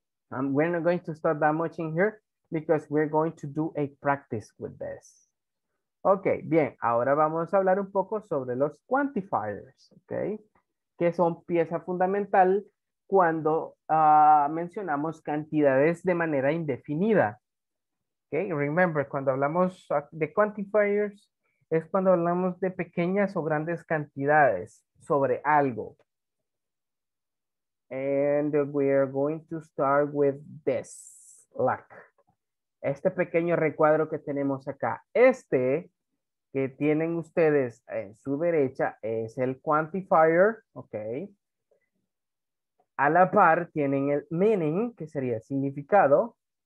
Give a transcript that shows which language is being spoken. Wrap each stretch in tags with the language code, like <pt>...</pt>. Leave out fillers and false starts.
<en>We're not going to stop that much in here. Because we're going to do a practice with this.</en> <es>Ok, bien. Ahora vamos a hablar un poco sobre los quantifiers. Ok. Que son pieza fundamental cuando mencionamos cantidades de manera indefinida. Ok. Remember, cuando hablamos de quantifiers, es cuando hablamos de pequeñas o grandes cantidades sobre algo.</es> <en>And we are going to start with this. lack.</en> <es>Este pequeño recuadro que tenemos acá, este que tienen ustedes en su derecha es el quantifier, ok. A la par tienen el meaning, que sería significado.</es>